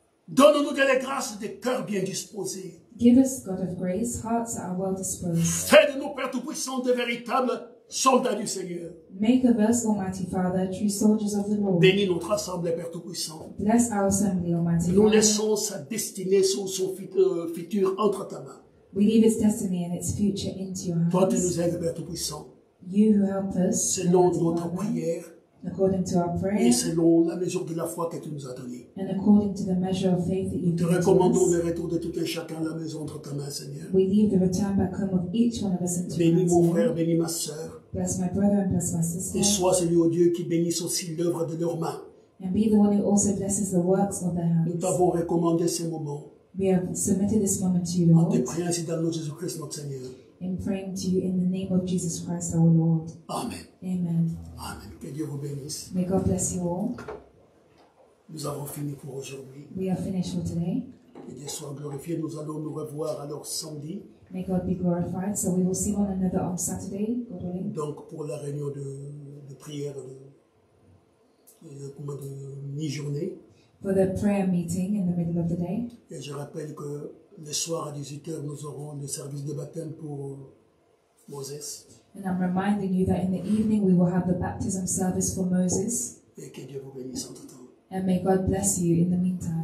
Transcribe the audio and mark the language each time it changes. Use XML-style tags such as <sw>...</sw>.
<fr>Donne-nous de la grâce des cœurs bien disposés.</fr> <en>Give us, God of grace, hearts that are well disposed.</en> <fr>Fais de nous, Père Tout-Puissant, de véritables soldats du Seigneur.</fr> <en>Make of us, Almighty Father, true soldiers of the Lord.</en> <fr>Bénis notre assemblée, Père Tout-Puissant.</fr> <en>Bless our assembly, Almighty Father.</en> <fr>Nous laissons sa destinée, son futur entre ta main.</fr> <en>We leave its destiny and its future into your hands.</en> <fr>Toi, tu nous aides, Père Tout-Puissant.</fr> <en>You who help us.</en> <fr>Selon notre prière.</fr> <en>According to our prayer,</en> <fr>et selon la mesure de la foi que tu nous as donnée.</fr> <en>And according to the measure of faith that you</en> <fr>nous te recommandons le retour de tout un chacun à la maison entre ta main, Seigneur.</fr> <en>We leave the return back home of each one of us into</en> <fr>bénis mon frère, bénis ma sœur.</fr> <en>Bless my brother and bless my sister.</en> <fr>Et sois celui au Dieu qui bénisse aussi l'œuvre de leurs mains.</fr> <en>And be the one who also blesses the works of their hands.</en> <fr>Nous t'avons recommandé ce moment.</fr> <en>We have submitted this moment to you, Lord.</en> <fr>En te priant ainsi dans le nom de Jésus-Christ, notre Seigneur.</fr> <en>In praying to you in the name of Jesus Christ, our Lord.</en> <fr>Amen.</fr> <en>Amen.</en> <fr>Amen. Que Dieu vous bénisse.</fr> <en>May God bless you all.</en> <fr>Nous avons fini pour aujourd'hui.</fr> <en>We are finished for today.</en> <fr>Que Dieu soit glorifié. Nous allons nous revoir alors samedi.</fr> <en>May God be glorified. So we will see one another on Saturday. God willing.</en> <fr>Donc pour la réunion de prière de mi-journée.</fr> <en>For the prayer meeting in the middle of the day.</en> <fr>Et je rappelle que le soir à 18h, nous aurons le service de baptême pour Moses.</fr> <en>And I'm reminding you that in the evening we will have the baptism service for Moses.</en> <fr>Et que Dieu vous bénisse entre temps.</fr> <en>And may God bless you in the meantime.</en>